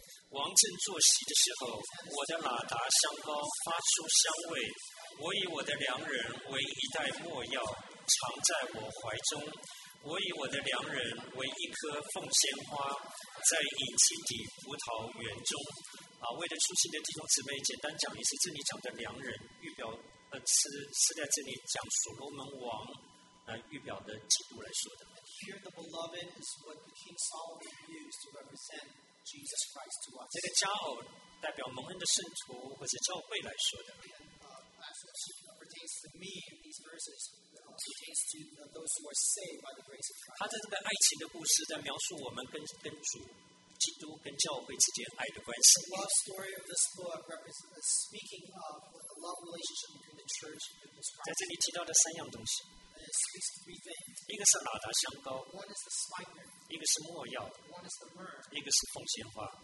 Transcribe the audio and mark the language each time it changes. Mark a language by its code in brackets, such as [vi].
[zh] 王正坐席的时候，我的喇叭香膏发出香味，我以我的良人为一袋墨药藏在我怀中，我以我的良人为一颗凤仙花在隐基底葡萄园中。啊，为了出席的弟兄姊妹简单讲一次，这里讲的良人预表是在这里讲所罗门王预表的基督来说的。 [en] Here the beloved is what the King Solomon used to represent Jesus Christ to us. [zh] 这个佳偶代表蒙恩的圣徒或者教会来说的。 [en] Pertains to me in these verses, pertains to those who are saved by the grace of Christ. [zh] 他的这个爱情的故事在描述我们跟主、基督跟教会之间爱的关系。 [en] The love story of this book represents speaking of the love relationship between the church and Jesus Christ. [zh] 在这里提到的三样东西。一个是喇叭香膏，一个是墨药，一个是凤仙花。